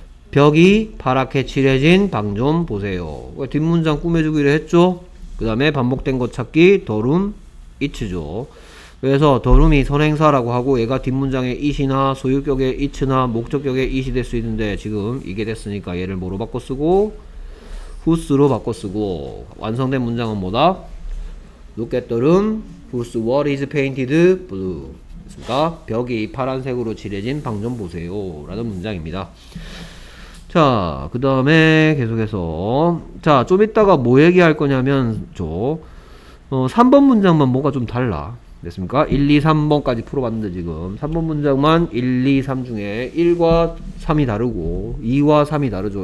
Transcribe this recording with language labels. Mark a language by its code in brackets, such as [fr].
[ko] 벽이 파랗게 칠해진 방 좀 보세요. 뒷문장 꾸며주기로 했죠. 그 다음에 반복된 것 찾기, 더룸, 이츠죠. 그래서 더룸이 선행사라고 하고 얘가 뒷문장의 it이나 소유격의 it이나 목적격의 it이 될 수 있는데 지금 이게 됐으니까 얘를 뭐로 바꿔 쓰고? whose로 바꿔 쓰고 완성된 문장은 뭐다? [en] Look at the room whose wall is painted blue. [ko] 됐습니까? 벽이 파란색으로 칠해진 방 좀 보세요 라는 문장입니다. 자, 그 다음에 계속해서 자, 좀 이따가 뭐 얘기할 거냐면 저 3번 문장만 뭐가 좀 달라. 됐습니까? 1, 2, 3번까지 풀어봤는데 지금 3번 문장만 1, 2, 3 중에 1과 3이 다르고 2와 3이 다르죠.